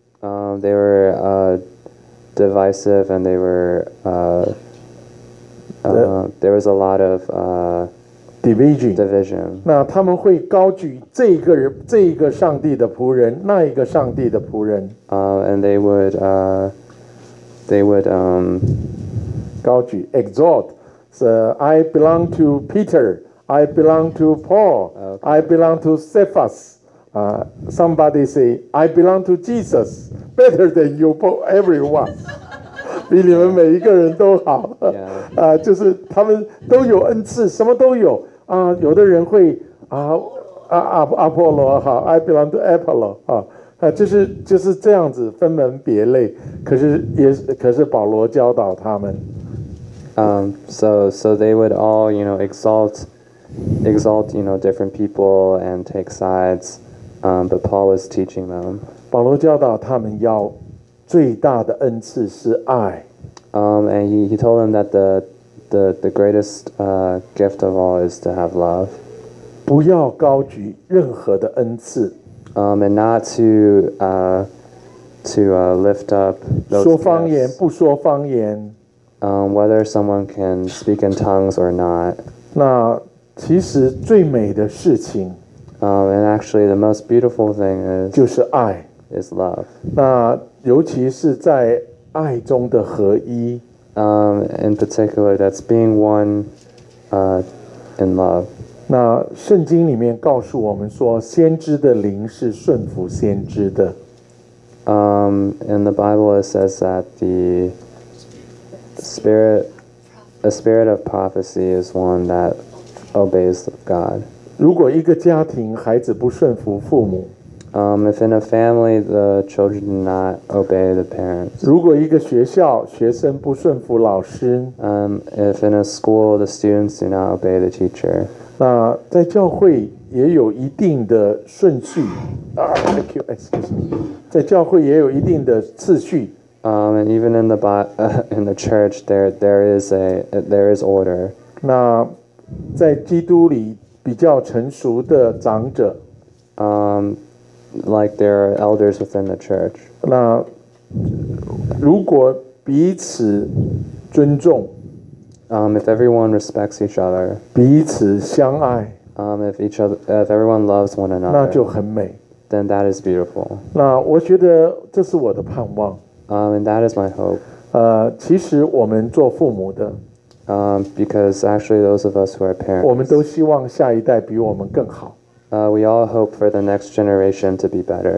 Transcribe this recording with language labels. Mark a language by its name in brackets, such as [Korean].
[English] They were divisive, and they were there was a lot of division. [Chinese] 那他们会高举这一个上帝的仆人，那一个上帝的仆人。 [English] And they would exalt. So I belong to Peter. I belong to Paul. Okay. I belong to Cephas. Somebody say I belong to Jesus. Better than you, everyone. [Chinese] 比你们每一个人都好。 [English] Yeah. [Chinese] 就是他们都有恩赐，什么都有。有的人会阿波罗好 ， [English] I belong to Apollo [Chinese] 就是这样子分门别类。可是保罗教导他们。 [English] So they would all, you know, exalt, you know, different people and take sides. But Paul was teaching them. [Chinese] 保罗教导他们要最大的恩赐是爱。 [English] And he told them that the greatest gift of all is to have love. [Chinese] 不要高举任何的恩赐。 [English] And not to to lift up those [Chinese] 说方言不说方言 [English] whether someone can speak in tongues or not. [Chinese] 那其实最美的事情 [English] and actually the most beautiful thing is [Chinese] 就是爱 [English] is love. [Chinese] 那尤其是在爱中的合一 [English] in particular that's being one in love. [Chinese] 那圣经里面告诉我们说先知的灵是顺服先知的 [English] And the Bible says that the spirit of prophecy is one that obeys God. [Chinese] 如果一个家庭孩子不顺服父母 [English] If in a family the children do not obey the parents. [Chinese] 如果一个学校学生不顺服老师 [English] If in a school the students do not obey the teacher. [Chinese] 那在教会也有一定的顺序 [English] Thank you, excuse me. [Chinese] 在教会也有一定的次序 [English] And even in the church, there is order. [Chinese] 那在基督里比较成熟的长者 [English] Like there are elders within the church. [Chinese] 那如果彼此尊重 [English] If everyone respects each other, [Chinese] 彼此相爱 [English] if everyone loves one another, [Chinese] 那就很美 [English] then that is beautiful. [Chinese] 那我觉得这是我的盼望 [English] And that is my hope. [Chinese] 其实我们做父母的 [English] Because actually those of us who are parents, [Chinese] 我们都希望下一代比我们更好 [English] We all hope for the next generation to be better.